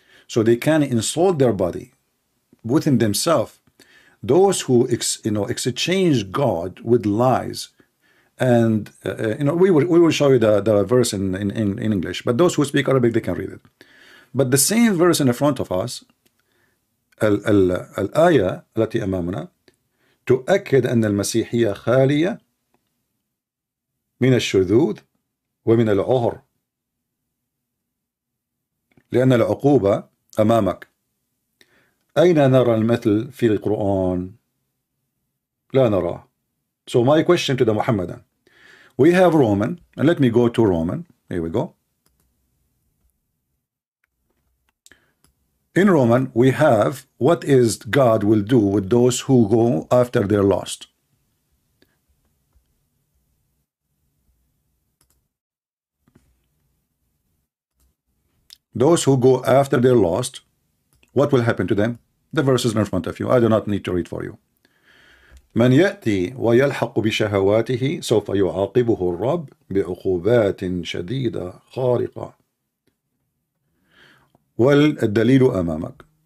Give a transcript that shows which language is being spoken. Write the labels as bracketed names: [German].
[English] So they can insult their body within themselves. Those who, exchange God with lies. And, we will show you the verse in English. But those who speak Arabic, they can read it. But the same verse in the front of us, [Arabic] الآية التي أمامنا, تؤكد أن المسيحية خالية من الشذوذ ومن العهر. لأن العقوبة أمامك. أين نرى المثل في القرآن؟ لا نراه. [English] So my question to the Mohammedan. We have Roman, and let me go to Roman. Here we go. In Roman, we have what is God will do with those who go after they're lost. Those who go after they're lost, what will happen to them? The verse is in front of you. I do not need to read for you. [Arabic] من يأتي ويلحق بشهواته سوف يعاقبه الرب بعقوبات شديدة خارقة. والدليل أمامك.